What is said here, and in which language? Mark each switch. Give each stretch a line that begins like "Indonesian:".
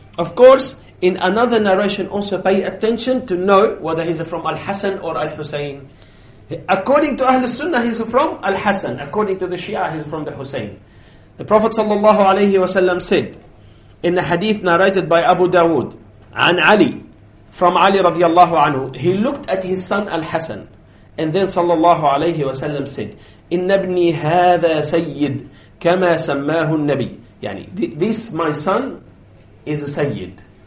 English: Of course, in another narration also pay attention to know whether he is from Al-Hasan or Al-Husayn. According to Ahl Sunnah, he's from Al-Hasan. According to the Shia, he's from the Husayn. The Prophet ﷺ said in a hadith narrated by Abu Dawood, عن Ali, from Ali radiallahu anhu, he looked at his son Al-Hasan. And then ﷺ said,
Arabic: إِنَّ ابْنِي هَذَا سَيِّدْ كَمَا سَمَّاهُ النَّبِيِّ.
English: يعني, this my son is a Sayyid.